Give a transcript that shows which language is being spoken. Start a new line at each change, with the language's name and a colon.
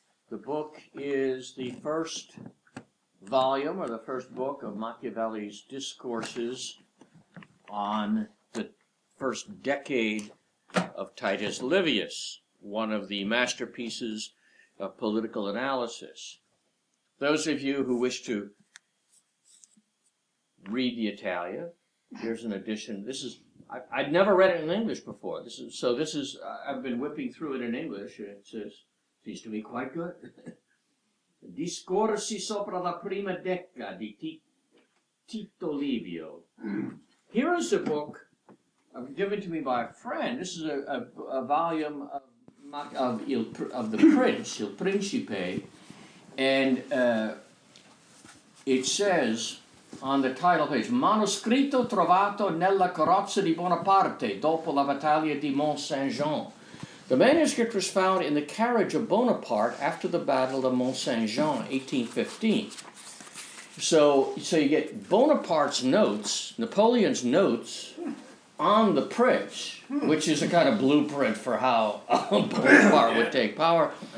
English: The book is the first volume or the first book of Machiavelli's Discourses on the first decade of Titus Livius, one of the masterpieces of political analysis. Those of you who wish to read the Italia, here's an edition. This is I'd never read it in English before. I've been whipping through it in English, and it says, seems to be quite good.
Italian: Discorsi sopra la prima decade di Tito Livio.
English: Here is a book given to me by a friend. This is a volume of the Prince, Il Principe, and it says on the title page,
Italian: Manuscritto trovato nella carrozza di Bonaparte dopo la battaglia di Mont Saint-Jean.
English: The manuscript was found in the carriage of Bonaparte after the Battle of Mont Saint-Jean, 1815. So you get Bonaparte's notes, Napoleon's notes, on the Prince, which is a kind of blueprint for how Bonaparte would take power.